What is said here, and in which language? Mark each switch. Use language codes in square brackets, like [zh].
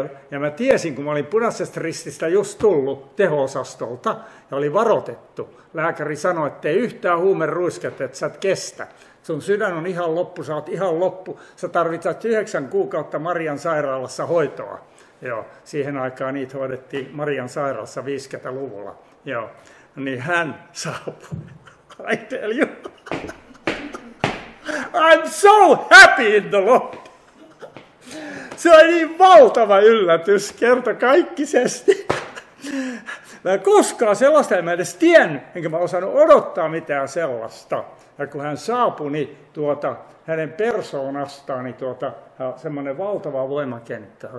[fi] Ja mä tiesin, kun mä olin Punaisesta Rististä just tullut teho-osastolta ja oli varoitettu. Lääkäri sanoi, että ei yhtään huumeruisket, että sä et kestä. Sun sydän on ihan loppu, sä oot ihan loppu. Sä tarvitset 9 Marian sairaalassa hoitoa. Joo, siihen aikaan niitä hoidettiin Marian sairaalassa 50-luvulla. Joo, niin hän saapui. [en] I tell you, I'm so happy in the Lord. [fi] Se on niin valtava yllätys, kertakaikkisesti. Mä en koskaan sellaista, en mä edes tiennyt, enkä mä osannut odottaa mitään sellaista. Ja kun hän saapui, niin hänen persoonastaan, niin semmoinen valtava voimakenttä.